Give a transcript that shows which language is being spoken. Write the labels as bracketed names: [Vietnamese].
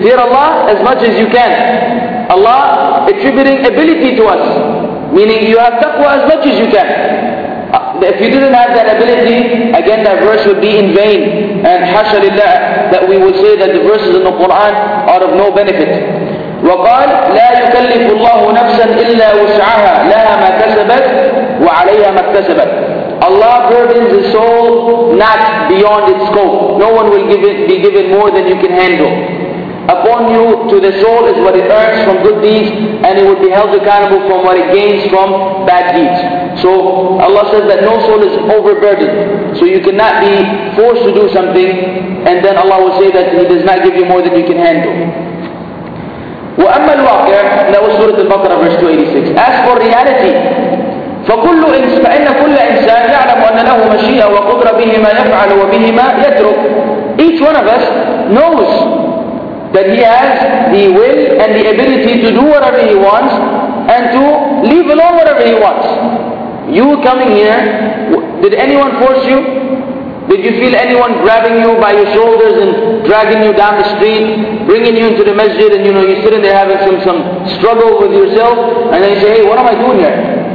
[English] Fear Allah as much as you can. Allah attributing ability to us, meaning you have taqwa as much as you can. If you didn't have that ability, again that verse would be in vain. And hasha lillah that we would say that the verses in the Quran are of no benefit. [Arabic] وقال لا يكلف الله نفسا إلا وسعها لها ما كسبت وعليها ما اكتسبت. [English] Allah burdens the soul not beyond its scope. No one will be given more than you can handle. Upon you to the soul is what it earns from good deeds, and it will be held accountable from what it gains from bad deeds. So Allah says that no soul is overburdened. So you cannot be forced to do something, and then Allah will say that He does not give you more than you can handle. [Arabic] وَأَمَّا الْوَاقِعِ. [English] That was Surah Al-Baqarah, verse 286. As for reality, [Arabic] فَإِنَّ كُلَّ إِنسَانٍ يَعْلَمُ أَنَّ لَهُ مَشِيئَةً وَقُدْرَ بِهِ مَا يَفْعَلُ وَبِهِ مَا يَتْرُكُ. [English] Each one of us knows that he has the will and the ability to do whatever he wants and to leave alone whatever he wants. You coming here, did anyone force you? Did you feel anyone grabbing you by your shoulders and dragging you down the street, bringing you into the masjid, and you know, you're sitting there having some struggle with yourself, and then you say, hey, what am I doing here?